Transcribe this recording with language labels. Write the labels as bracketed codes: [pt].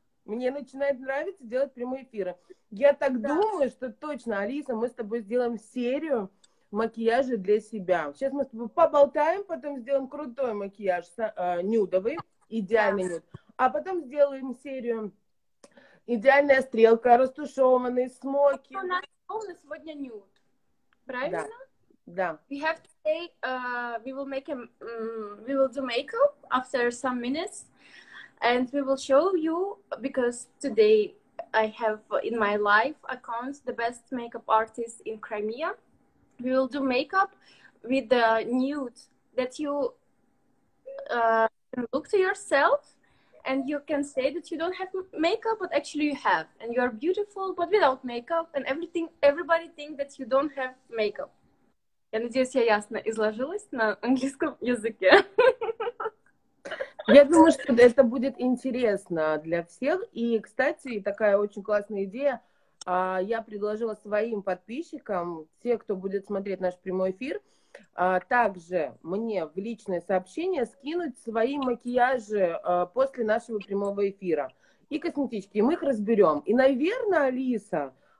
[ru] Мне начинает нравиться делать прямые эфиры. Я так думаю, что точно, Алиса, мы с тобой сделаем серию макияжа для себя. Сейчас мы с тобой поболтаем, потом сделаем крутой макияж, нюдовый, идеальный нюд. А потом сделаем серию идеальная стрелка, растушеванный, смоки. У нас полный сегодня нюд. Правильно? Да. Да. [en] We have to say we will do makeup after some minutes, and we will show you because today I have in my life account the best makeup artist in Crimea. We will do makeup with the nude that you can look to yourself, and you can say that you don't have makeup, but actually you have, and you are beautiful, but without makeup, and everybody think that you don't have makeup. [ru] Я надеюсь, я ясно изложилась на английском языке. Я думаю, что это будет интересно для всех. И, кстати, такая очень классная идея. Я предложила своим подписчикам, те, кто будет смотреть наш прямой эфир, также мне в личное сообщение скинуть свои макияжи после нашего прямого эфира. И косметички, и мы их разберем. И, наверное, Алиса,